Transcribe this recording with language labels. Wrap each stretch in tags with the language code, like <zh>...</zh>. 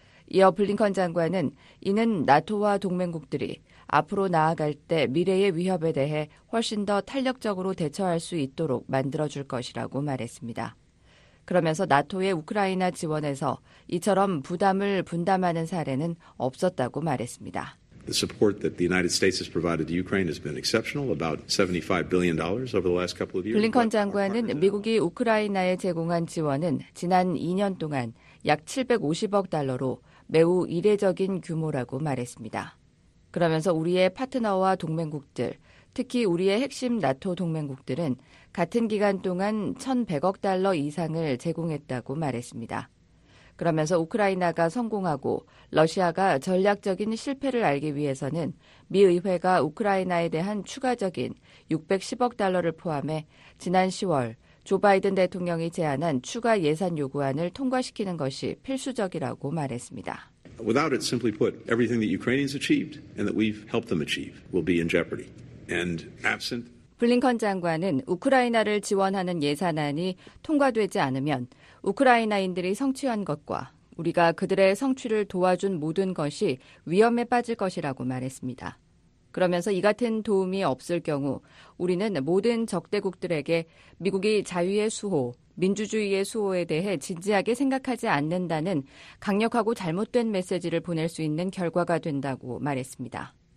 <ko>이어 블링컨 장관은 이는 나토와 동맹국들이 앞으로 나아갈 때 미래의 위협에 대해 훨씬 더 탄력적으로 대처할 수 있도록 만들어줄 것이라고 말했습니다. 그러면서 나토의 우크라이나 지원에서 이처럼 부담을 분담하는 사례는 없었다고 말했습니다.</ko> <en>The support that the United States has provided to Ukraine has been exceptional, about $75 billion over the last couple of years.</en> <ko>블링컨 장관은 미국이 우크라이나에 제공한 지원은 지난 2년 동안 약 750억 달러로 매우 이례적인 규모라고 말했습니다. 그러면서 우리의 파트너와 동맹국들, 특히 우리의 핵심 나토 동맹국들은 같은 기간 동안 1,100억 달러 이상을 제공했다고 말했습니다. 그러면서 우크라이나가 성공하고 러시아가 전략적인 실패를 알기 위해서는 미 의회가 우크라이나에 대한 추가적인 610억 달러를 포함해 지난 10월 조 바이든 대통령이 제안한 추가 예산 요구안을 통과시키는 것이 필수적이라고 말했습니다.</ko> <en>Without it, simply put, everything that Ukrainians achieved and that we've helped them achieve will be in jeopardy. And absent</en> <ko>블링컨 장관은 우크라이나를 지원하는 예산안이 통과되지 않으면 우크라이나인들이 성취한 것과 우리가 그들의 성취를 도와준 모든 것이 위험에 빠질 것이라고 말했습니다. 그러면서 이 같은 도움이 없을 경우 우리는 모든 적대국들에게 미국이 자유의 수호, 민주주의의 수호에 대해 진지하게 생각하지 않는다는 강력하고 잘못된 메시지를 보낼 수 있는 결과가 된다고 말했습니다.</ko>